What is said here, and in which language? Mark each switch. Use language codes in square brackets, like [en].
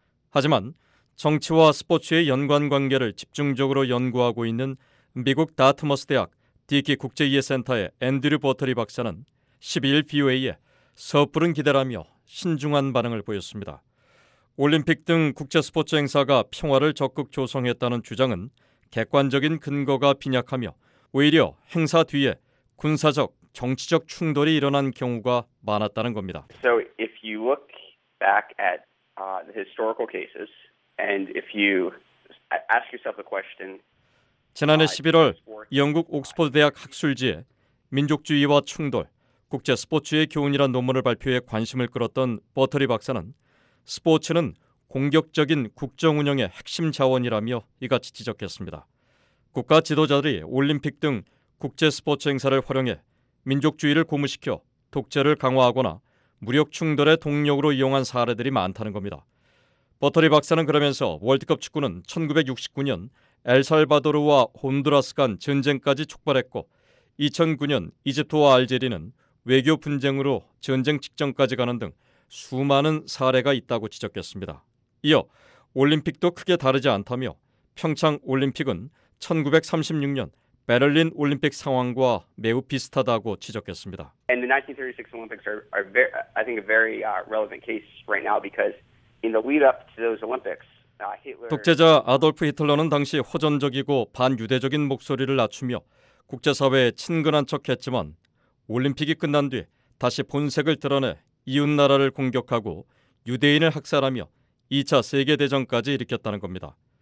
[ko] 하지만 정치와 스포츠의 연관관계를 집중적으로 연구하고 있는 미국 다트머스 대학 디키 국제이해센터의 앤드류 버터리 박사는 12일 BOA에 섣부른 기대라며 신중한 반응을 보였습니다. 올림픽 등 국제 스포츠 행사가 평화를 적극 조성했다는 주장은 객관적인 근거가 빈약하며 오히려 행사 뒤에 군사적, 정치적 충돌이 일어난 경우가 많았다는 겁니다. [en] So if you look back at the historical cases and if you ask yourself a question [ko] 지난해 11월 영국 옥스퍼드 대학 학술지에 민족주의와 충돌, 국제 스포츠의 교훈이란 논문을 발표해 관심을 끌었던 버터리 박사는 스포츠는 공격적인 국정 운영의 핵심 자원이라며 이같이 지적했습니다. 국가 지도자들이 올림픽 등 국제 스포츠 행사를 활용해 민족주의를 고무시켜 독재를 강화하거나 무력 충돌의 동력으로 이용한 사례들이 많다는 겁니다. 버터리 박사는 그러면서 월드컵 축구는 1969년 엘살바도르와 홈드라스 간 전쟁까지 촉발했고 2009년 이집트와 알제리는 외교 분쟁으로 전쟁 직전까지 가는 등 수많은 사례가 있다고 지적했습니다. 이어 올림픽도 크게 다르지 않다며 평창 올림픽은 1936년 베를린 올림픽 상황과 매우 비슷하다고 지적했습니다. [en] And the 1936 Olympics are very, I think a very relevant case right now because in the lead up to those Olympics [ko] 독재자 아돌프 히틀러는 당시 호전적이고 반유대적인 목소리를 낮추며 국제사회에 친근한 척했지만 올림픽이 끝난 뒤 다시 본색을 드러내 이웃나라를 공격하고 유대인을 학살하며 2차 세계대전까지 일으켰다는 겁니다.